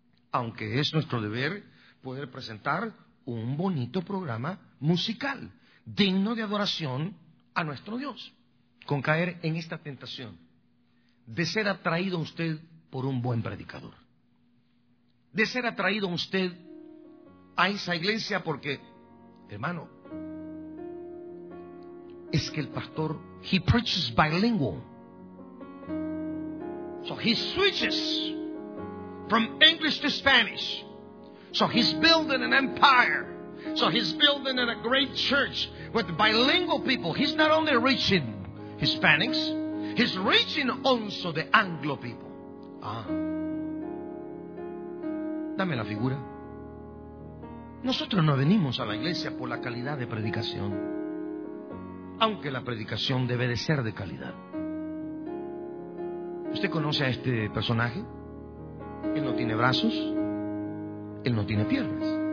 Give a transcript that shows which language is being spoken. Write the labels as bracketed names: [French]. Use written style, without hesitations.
[Spanish] Aunque es nuestro deber poder presentar un bonito programa musical, digno de adoración a nuestro Dios, con caer en esta tentación de ser atraído a usted por un buen predicador, de ser atraído a usted a esa iglesia porque, hermano, es que el pastor, [English] he preaches bilingual, so he switches from English to Spanish. So he's building an empire. So he's building a great church with bilingual people. He's not only reaching Hispanics, he's reaching also the Anglo people. [Spanish] Ah. Dame la figura. Nosotros no venimos a la iglesia por la calidad de predicación, aunque la predicación debe de ser de calidad. ¿Usted conoce a este personaje? Él no tiene brazos. Él no tiene piernas.